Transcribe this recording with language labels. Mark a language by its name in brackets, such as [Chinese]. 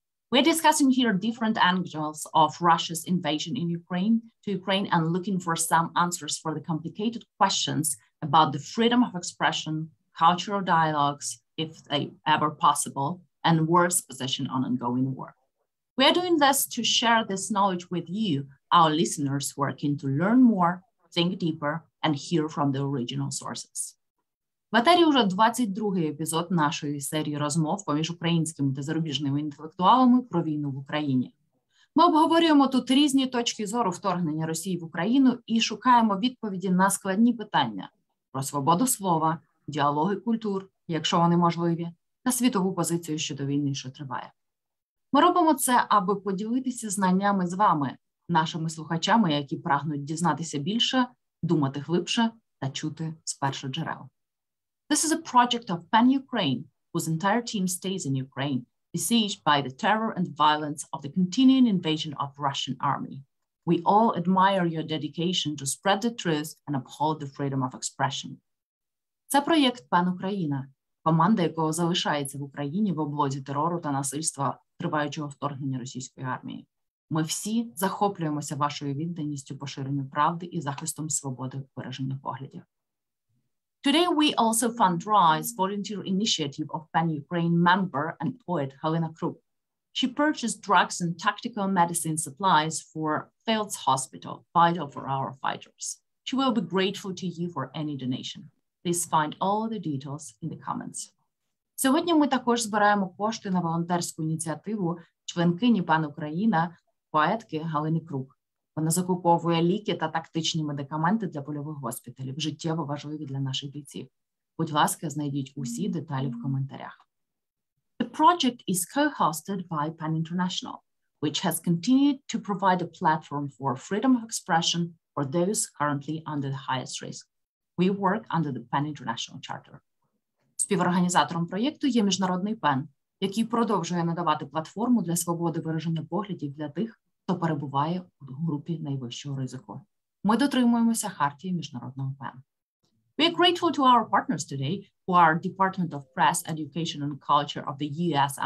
[English] We're discussing here different angles of Russia's invasion in Ukraine to Ukraine and looking for some answers for the complicated questions about the freedom of expression, cultural dialogues, if they ever possible, and war's position on ongoing war. We are doing this to share this knowledge with you, our listeners who are keen to learn more, think deeper, and hear from the original sources. [Ukrainian] В етері уже 22-й епізод нашої серії розмов поміж українськими та зарубіжними інтелектуалами про війну в Україні. Ми обговорюємо тут різні точки зору вторгнення Росії в Україну і шукаємо відповіді на складні питання про свободу слова, діалоги культур, якщо вони можливі, та світову позицію щодо війни, що триває. Ми робимо це, аби поділитися знаннями з вами, нашими слухачами, які прагнуть дізнатися більше, думати глибше та чути з перших джерел. [English] This is a project of Pan-Ukraine, whose entire team stays in Ukraine, besieged by the terror and violence of the continuing invasion of Russian army. We all admire your dedication to spread the truth and uphold the freedom of expression. [Ukrainian] Це проєкт Пан-Україна, команда якого залишається в Україні в облозі терору та насильства триваючого вторгнення російської армії. Ми всі захоплюємося вашою відданістю поширенню правди і захистом свободи вираження поглядів. [English] Today we also fundraise volunteer initiative of Pan-Ukraine member and poet Helena Krupp. She purchased drugs and tactical medicine supplies for Fields Hospital, vital for our fighters. She will be grateful to you for any donation. Please find all the details in the comments. [Ukrainian] Сьогодні ми також збираємо кошти на волонтерську ініціативу членкині Пан-Україна, поетки Галини Круг. Вона закуповує ліки та тактичні медикаменти для польових госпіталів, життєво важливі для наших бійців. Будь ласка, знайдіть усі деталі в коментарях. [English] The project is co-hosted by Pan International, which has continued to provide a platform for freedom of expression for those currently under the highest risk. We work under the Pan International Charter. [Ukrainian] Співорганізатором проєкту є Міжнародний ПЕН, який продовжує надавати платформу для свободи вираження поглядів для тих, хто перебуває у групі найвищого ризику. Ми дотримуємося хартії Міжнародного ПЕН. [English] We are grateful to our partners today, who are Department of Press, Education and Culture of the U.S.